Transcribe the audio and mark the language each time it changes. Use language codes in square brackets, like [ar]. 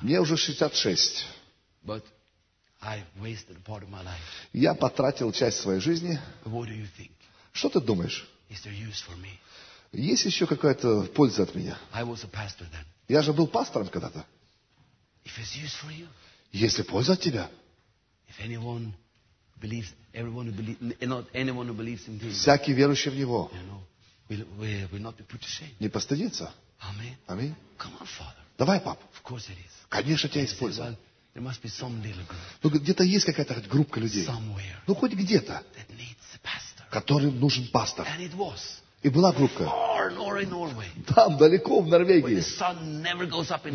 [ru] Мне уже 66. [en] But I wasted part of my life. [ru] Я потратил часть своей жизни. [en] What do you think? [ru] Что ты думаешь? [en] Is there use for me? [ru] Есть еще какая-то польза от меня? [en] I was a pastor then. [ru] Я же был пастором когда-то. [en] If it's use for you, [ru] если польза от тебя, [en] if anyone believes, everyone who believes, not anyone who believes in Jesus, [ru] всякий верующий в него, [en] you know, will not be put to shame. [ru] Не постыдится. [en] Amen. Amen. Come on, Father. [ru] Давай, пап. [en] Of course it is. [ru] Конечно, тебя используют. [en] Well, there must be some little group. [ru] Ну, где-то есть какая-то группа людей. [en] Somewhere. [ru] Ну, хоть где-то. [en] That needs a pastor. [ru] Которым нужен пастор. [en] And it was. [ru] И была группа. [en] Far nor in Norway. [ru] Там, далеко в Норвегии. [en] Where the sun never goes up in